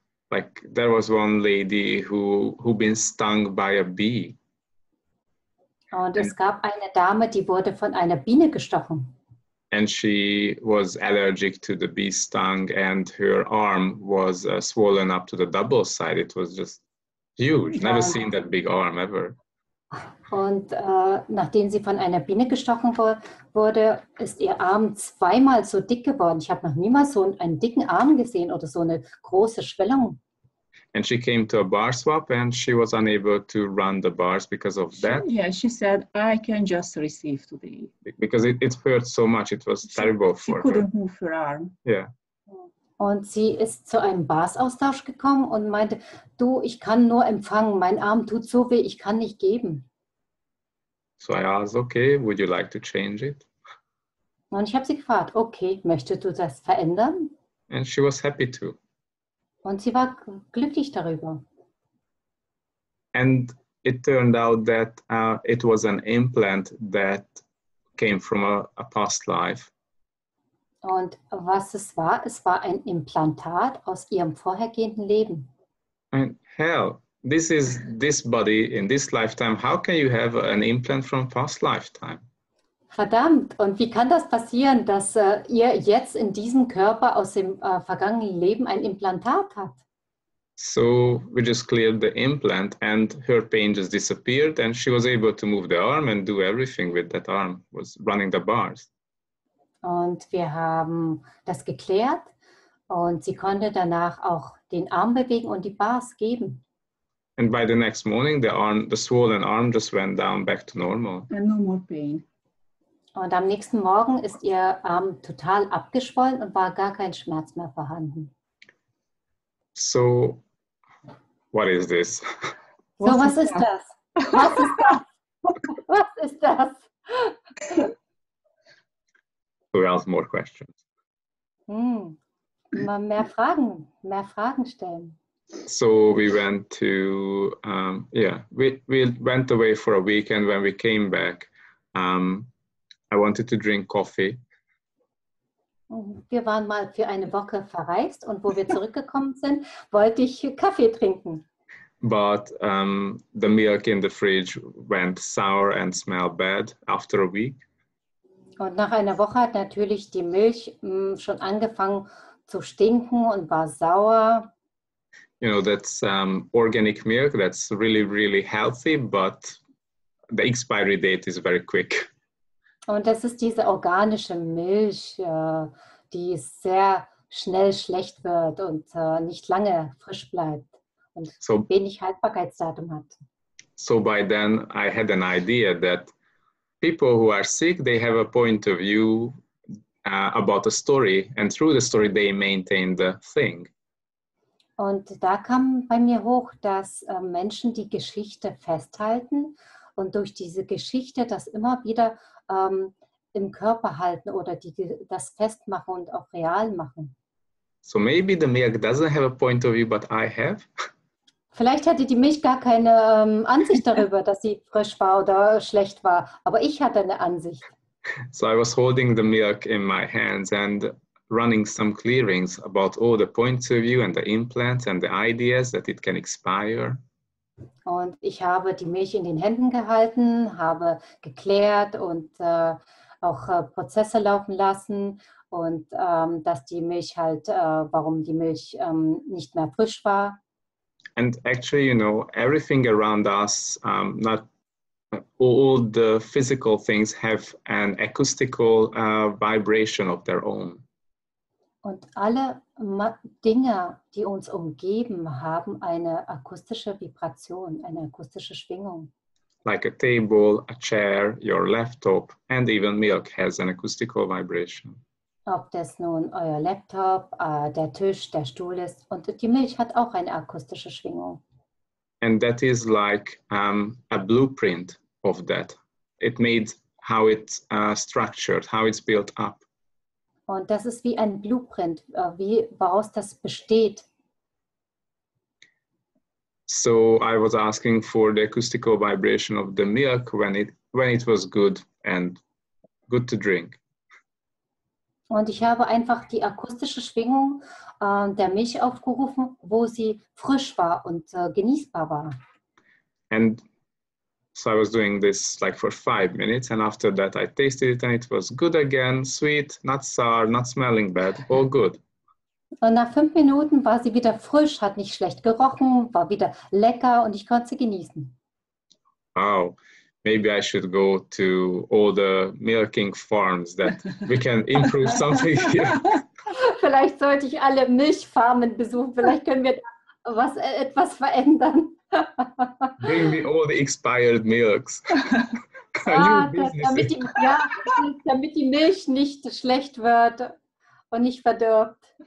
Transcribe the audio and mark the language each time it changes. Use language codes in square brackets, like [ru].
[en] Like there was one lady who been stung by a bee. [de] Und es gab eine Dame, die wurde von einer Biene gestochen. [en] And she was allergic to the bee stung and her arm was swollen up to the double side. It was just huge. Never seen that big arm ever. [de] Und nachdem sie von einer Biene gestochen wurde, ist ihr Arm zweimal so dick geworden. Ich habe noch niemals so einen dicken Arm gesehen oder so eine große Schwellung. [en] And she came to a bar swap and she was unable to run the bars because of that. Yeah, she said, I can just receive today. Because it hurt so much, it was terrible for her. She couldn't move her arm. Yeah. [de] Und sie ist zu einem Bars-Austausch gekommen und meinte, du, ich kann nur empfangen, mein Arm tut so weh, ich kann nicht geben. [en] So I asked, okay, would you like to change it? [de] Und ich habe sie gefragt, okay, möchtest du das verändern? [en] And she was happy to. [de] Und sie war glücklich darüber. [en] And it turned out that it was an implant that came from a past life. [de] Und was es war ein Implantat aus ihrem vorhergehenden Leben. [en] And hell, this is this body in this lifetime. How can you have an implant from past lifetime? [de] Verdammt, und wie kann das passieren, dass ihr jetzt in diesem Körper aus dem vergangenen Leben ein Implantat habt? [en] So we just cleared the implant and her pain just disappeared and she was able to move the arm and do everything with that arm, was running the bars. [de] Und wir haben das geklärt und sie konnte danach auch den Arm bewegen und die Bars geben. [en] And by the next morning the swollen arm just went down back to normal. And no more pain. [de] Und am nächsten Morgen ist ihr Arm total abgeschwollen und war gar kein Schmerz mehr vorhanden. [en] So, what is this? [de] So, was ist das? Was ist das? Was ist das? [en] Who has more questions? [de] Mal mehr Fragen stellen. [en] So we went to, we went away for a week and when we came back, I wanted to drink coffee. [de] Wir waren mal für eine Woche verreist und wo wir zurückgekommen sind, wollte ich Kaffee trinken. [en] But the milk in the fridge went sour and smelled bad after a week. [de] Und nach einer Woche hat natürlich die Milch schon angefangen zu stinken und war sauer. [en] You know, that's organic milk, that's really, really healthy, but the expiry date is very quick. [de] Und das ist diese organische Milch, die sehr schnell schlecht wird und nicht lange frisch bleibt und so, wenig Haltbarkeitsdatum hat. [en] So by then I had an idea that people who are sick, they have a point of view about a story and through the story they maintain the thing. [de] Und da kam bei mir hoch, dass Menschen die Geschichte festhalten und durch diese Geschichte das immer wieder im Körper halten oder das festmachen und auch real machen. [en] So maybe the milk doesn't have a point of view, but I have. [de] Vielleicht hatte die Milch gar keine Ansicht darüber, dass sie frisch war oder schlecht war, aber ich hatte eine Ansicht. [en] So I was holding the milk in my hands and running some clearings about all the points of view and the implants and the ideas that it can expire. [de] Und ich habe die Milch in den Händen gehalten, habe geklärt und auch Prozesse laufen lassen und dass die Milch halt, warum die Milch nicht mehr frisch war. [en] And actually, you know, everything around us, not all the physical things have an acoustical vibration of their own. [de] Und alle Dinge, die uns umgeben, haben eine akustische Vibration, eine akustische Schwingung. [en] Like a table, a chair, your laptop and even milk has an acoustical vibration. [de] Ob das nun euer Laptop, der Tisch, der Stuhl ist und die Milch hat auch eine akustische Schwingung. [en] And that is like a blueprint of that. It made how it's structured, how it's built up. [de] Und das ist wie ein Blueprint, wie woraus das besteht. [en] So I was asking for the acoustical vibration of the milk when it was good and good to drink. [de] Und ich habe einfach die akustische Schwingung der Milch aufgerufen, wo sie frisch war und genießbar war. [en] And So I was doing this like for 5 minutes, and after that I tasted it and it was good again, sweet, not sour, not smelling bad, all good. [de] Und nach 5 Minuten war sie wieder frisch, hat nicht schlecht gerochen, war wieder lecker und ich konnte sie genießen. [en] Wow, maybe I should go to all the milking farms that we can improve something here. [de] Vielleicht sollte ich alle Milchfarmen besuchen, vielleicht können wir etwas verändern. [en] Bring me all the expired milks. [de] damit die Milch nicht schlecht wird und nicht verdirbt.